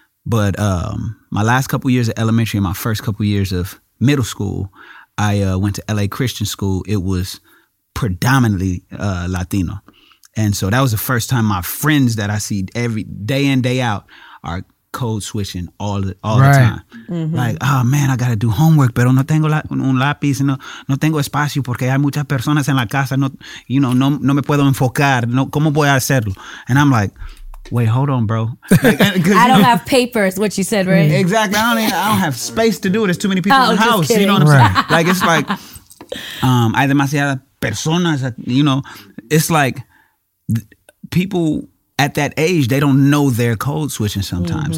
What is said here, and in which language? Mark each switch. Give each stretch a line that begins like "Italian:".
English: But my last couple years of elementary and my first couple years of middle school, I went to L.A. Christian School. It was predominantly Latino. And so that was the first time my friends that I see every day in, day out are code switching all the time. Mm-hmm. Like, oh, man, I got to do homework,
Spanish: pero no tengo un lápiz, no tengo espacio porque hay muchas personas en la casa, no me puedo enfocar, no, ¿cómo voy a hacerlo?
English: And I'm like, wait, hold on, bro. I don't have papers, what you said, right? Exactly. I don't have space to do it. There's too many people in the house. Kidding. You know what I'm right. saying? Like, it's like,
Spanish: hay demasiadas personas,
English: you know? It's like, people at that age, they don't know their code switching sometimes.